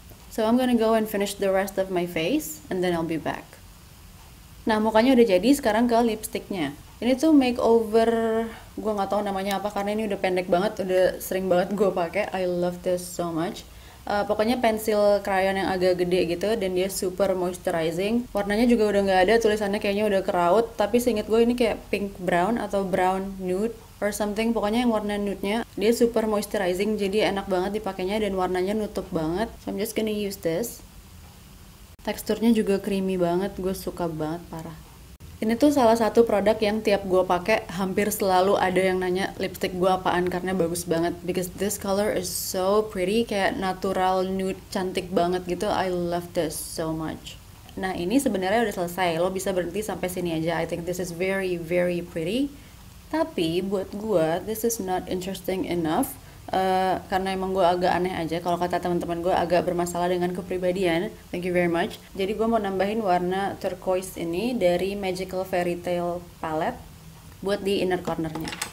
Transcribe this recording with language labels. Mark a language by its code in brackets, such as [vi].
[en] So I'm gonna go and finish the rest of my face and then I'll be back. [id] Nah, mukanya udah jadi, sekarang ke lipsticknya. Ini tuh makeover, gue gak tahu namanya apa karena ini udah pendek banget, udah sering banget gue pakai. [en] I love this so much. [id] Pokoknya pensil crayon yang agak gede gitu dan dia super moisturizing. Warnanya juga udah gak ada, tulisannya kayaknya udah keraut. Tapi seinget gue ini kayak pink brown atau brown nude [en] or something, [id] pokoknya yang warna nude-nya. Dia super moisturizing, jadi enak banget dipakainya dan warnanya nutup banget. [en] So I'm just gonna use this. [id] Teksturnya juga creamy banget, gue suka banget, parah. Ini tuh salah satu produk yang tiap gue pakai hampir selalu ada yang nanya lipstick gue apaan karena bagus banget. [en] Because this color is so pretty, [id] kayak natural nude, cantik banget gitu. [en] I love this so much. [id] Nah, ini sebenarnya udah selesai, lo bisa berhenti sampai sini aja. [en] I think this is very very pretty. [id] Tapi buat gue, [en] this is not interesting enough. [id] Karena emang gue agak aneh aja, kalau kata teman-teman gue agak bermasalah dengan kepribadian. [en] Thank you very much. [id] Jadi gue mau nambahin warna turquoise ini dari Magical Fairy Tale Palette buat di inner cornernya.